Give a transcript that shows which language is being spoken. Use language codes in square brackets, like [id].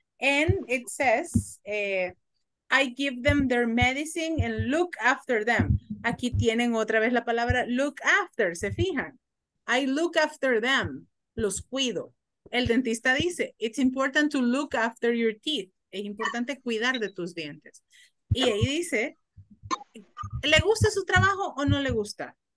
[en] And it says, I give them their medicine and look after them. [es] Aquí tienen otra vez la palabra look after, ¿se fijan? [en] I look after them, [es] los cuido. El dentista dice, [en] it's important to look after your teeth. [es] Es importante cuidar de tus dientes. Y ahí dice, ¿le gusta su trabajo o no le gusta?